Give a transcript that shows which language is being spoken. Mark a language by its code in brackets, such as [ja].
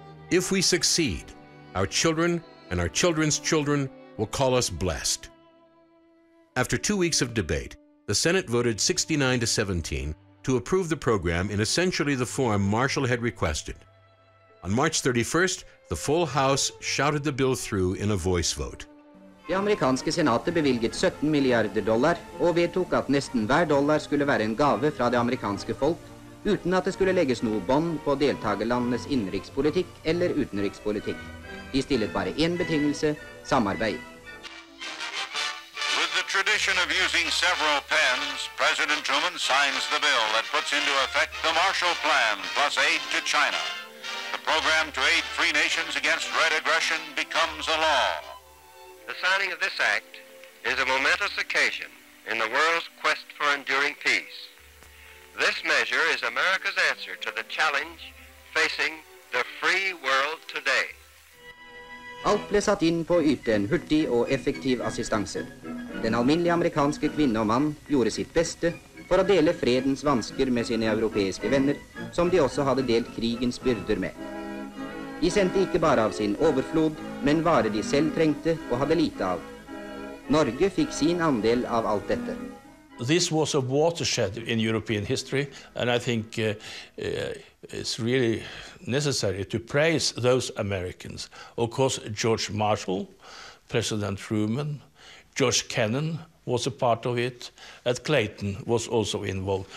[en] If we succeed, our children and our children's children will call us blessed." After 2 weeks of debate, the Senate voted 69-17 to approve the program in essentially the form Marshall had requested. On March 31st, the full House shouted the bill through in a voice vote. [no] Det amerikanske senatet bevilget 17 milliarder dollar og vedtok at nesten hver dollar skulle være en gave fra det amerikanske folk, uten at det skulle legges noe bånd på deltakerlandenes innenrikspolitikk eller utenrikspolitikk. De stillet bare én betingelse, samarbeid. [en] With the tradition of using several pens, President Truman signs the bill that puts into effect the Marshall Plan plus aid to China. The program to aid free nations against red aggression becomes a law. The signing of this act is a momentous occasion in the world's quest for enduring peace. This measure is America's answer to the challenge facing the free world today. [no] Alt ble satt inn på å yte en hurtig og effektiv assistanse. Den alminnelige amerikanske kvinne og mann gjorde sitt beste for å dele fredens vansker med sine europeiske venner, som de også hadde delt krigens byrder med. De sendte ikke bare av sin overflod, men varer de selv trengte og hadde lite av. Norge fikk sin andel av alt dette. [en] This was a watershed in European history, and I think it's really necessary to praise those Americans. Of course, George Marshall, President Truman, George Kennan was a part of it, and Clayton was also involved.